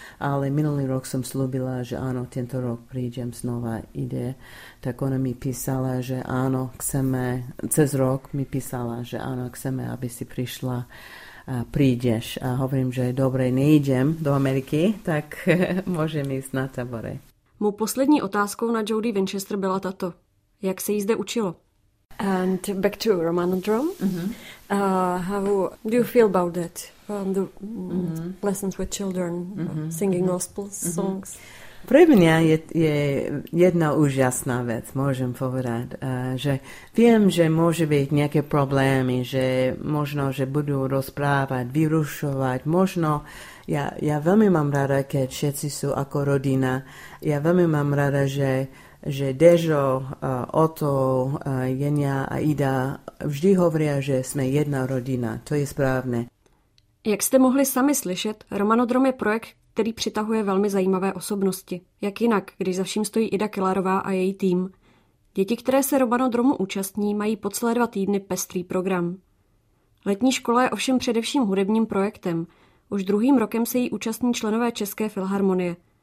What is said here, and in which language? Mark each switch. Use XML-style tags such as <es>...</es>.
<sk>Ale minulý rok som slúbila, že áno, tento rok prídem znova ide. Tak ona mi písala, že áno, chceme, cez rok mi písala, že áno, chceme, aby si prišla prídeš a hovorím, že dobre, nejdem do Ameriky, tak môžem ísť na tabore.</sk> <cs>Mou poslední otázkou na Jody Winchester byla tato. Jak se jí zde učilo?</cs> <en>And back to Romanodrome. How do you feel about that? The lessons with children, singing gospel songs.</en> <sk>Pre mňa je jedna úžasná vec, môžem povedať, že viem, že môže byť nejaké problémy, že možno, že budú rozprávať, vyrušovať, možno. Ja veľmi mám rada, keď všetci sú ako rodina. Ja veľmi mám rada, že Dežo, Otto, Jenia a Ida vždy hovoria, že sme jedna rodina. To je správne.</sk> <cs>Jak ste mohli sami slyšet, Romanodrom je projekt, který přitahuje velmi zajímavé osobnosti. Jak jinak, když za vším stojí Ida Kilarová a její tým. Děti, které se Romanodromu účastní, mají po celé dva týdny pestrý program. Letní škola je ovšem především hudebním projektem. Už druhým rokem se jí účastní členové České filharmonie.</cs>